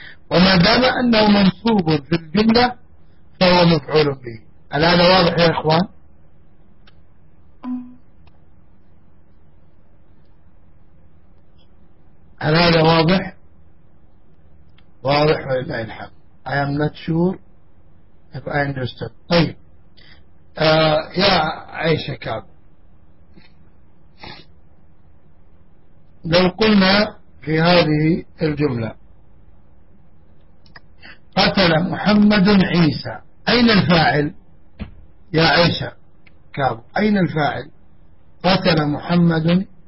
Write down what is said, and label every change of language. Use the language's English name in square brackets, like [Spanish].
[Arabic] وما دام أنه منصوب في الجملة فهو مفعول به. ألا هذا واضح يا إخوان؟ هل هذا واضح؟ واضح ولله الحمد. [English] I am not sure if I understood. [Arabic] طيب يا عيشة كاب، لو قلنا في هذه الجملة قتل محمد عيسى، أين الفاعل يا عيشة كاب؟ أين الفاعل؟ قتل محمد،